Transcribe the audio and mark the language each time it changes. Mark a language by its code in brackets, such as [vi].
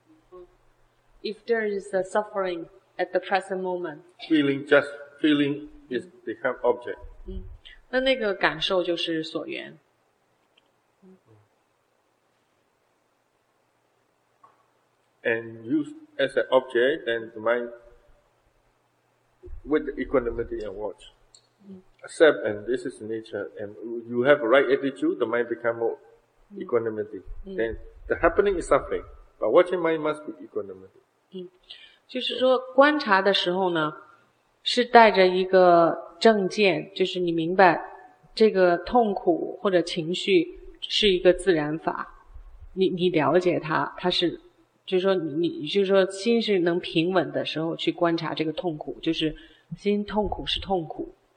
[en] 嗯、If there is a suffering at the present moment, feeling just feeling is become object. [zh] 嗯，那那个感受就是所缘。 [en] And use as an object and the mind with the equanimity and watch. Accept and this is nature and you have a right attitude, the mind become more equanimity. Then the happening is suffering, but watching mind must be equanimity. [zh] 就是说观察的时候呢是带着一个正见，就是你明白这个痛苦或者情绪是一个自然法，你了解它，它是就是说你就是说心是能平稳的时候去观察这个痛苦，就是心痛苦是痛苦。